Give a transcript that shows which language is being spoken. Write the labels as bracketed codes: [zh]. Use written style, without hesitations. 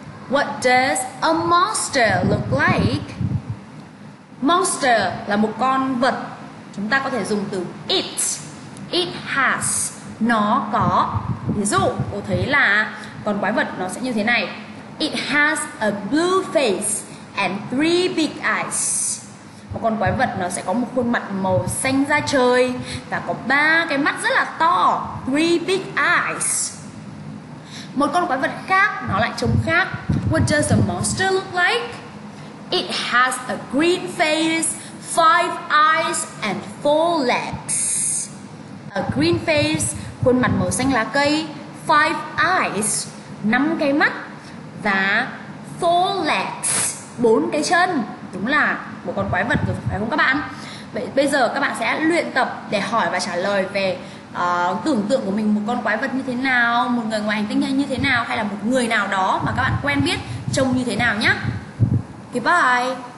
[en] What does a monster look like? [vi] Monster là một con vật. Chúng ta có thể dùng từ it. [en] It has. [vi] Nó có. Ví dụ, cô thấy là con quái vật nó sẽ như thế này. [en] It has a blue face and three big eyes. [vi] Một con quái vật nó sẽ có một khuôn mặt màu xanh da trời và có ba cái mắt rất là to, [en] three big eyes. [vi] Một con quái vật khác nó lại trông khác. [en] What does a monster look like? It has a green face, five eyes and four legs. A green face, [vi] khuôn mặt màu xanh lá cây, [en] five eyes, [vi] năm cái mắt và [en] four legs, [vi] bốn cái chân. Đúng là một con quái vật rồi phải không các bạn? Vậy bây giờ các bạn sẽ luyện tập để hỏi và trả lời về tưởng tượng của mình một con quái vật như thế nào, một người ngoài hành tinh như thế nào, hay là một người nào đó mà các bạn quen biết trông như thế nào nhé. Goodbye.